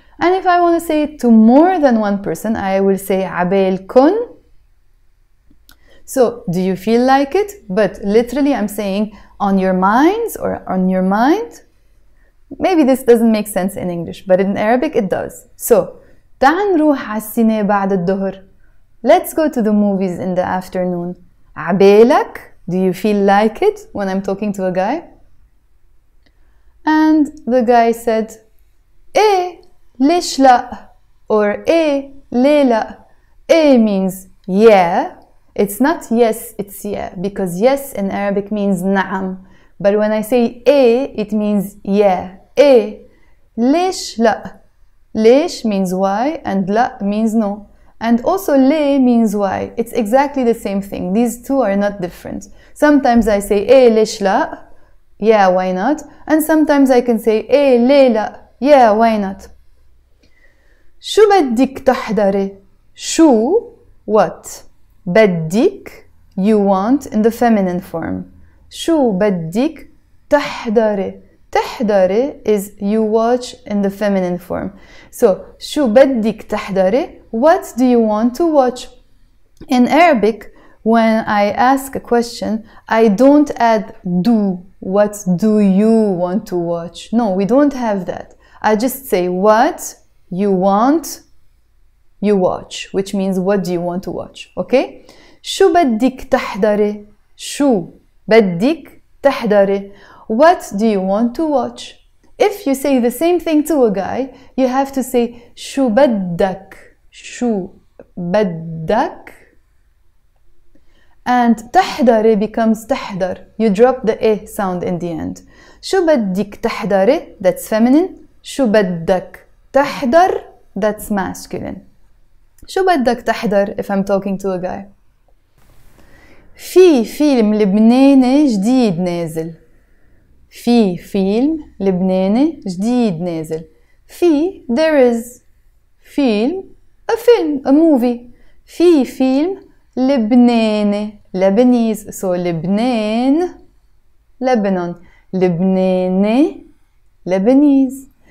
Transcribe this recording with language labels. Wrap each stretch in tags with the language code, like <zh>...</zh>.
<en>And if I want to say it to more than one person, I will say abelkun. So do you feel like it? But literally I'm saying on your minds or on your mind. Maybe this doesn't make sense in English, but in Arabic it does.</en> <ar>So تعن روح السينة بعد الظهر.</ar> <en>Let's go to the movies in the afternoon. عبالك, do you feel like it? When I'm talking to a guy. And the guy said</en> <ar>إيه ليش لا,</ar> <en>or</en> <ar>إيه لي لا.</ar> <en>إيه means yeah. It's not yes, it's yeah, because yes in Arabic means na'am. But when I say eh, it means yeah.</en> <ar>Eh, leish la.</ar> <en>Leish means why, and la means no. And also le means why. It's exactly the same thing. These two are not different. Sometimes I say</en> <ar>eh, leish la.</ar> <en>Yeah, why not? And sometimes I can say</en> <ar>eh, le la.</ar> <en>Yeah, why not?</en> <ar>شو بدك تحضري؟ شو, what?</ar> <en>بدك, you want in the feminine form.</en> <ar>شو بدك تحضري.</ar> <en>تحضري is you watch in the feminine form. So</en> <ar>شو بدك تحضري,</ar> <en>what do you want to watch? In Arabic, when I ask a question, I don't add do, what do you want to watch? No, we don't have that. I just say what you want you watch, which means what do you want to watch, okay?</en> <ar>شو بدك تحضري؟ شو بدك تحضري؟</ar> <en>What do you want to watch? If you say the same thing to a guy, you have to say</en> <ar>شو بدك؟ شو بدك؟</ar> <en>And تحضري becomes تحضر. You drop the إيه sound in the end.</en> <ar>شو بدك تحضري؟</ar> <en>That's feminine.</en> <ar>شو بدك تحضر؟</ar> <en>That's masculine. شو بدك تحضر, if I'm talking to a guy.</en> <ar>في فيلم لبناني جديد نازل. في فيلم لبناني جديد نازل.</ar> <en>في, there is. فيلم, a film, a movie.</en> <ar>في فيلم لبناني, Lebanese.</ar> <en>So لبنان, Lebanon. لبناني, Lebanese.</en>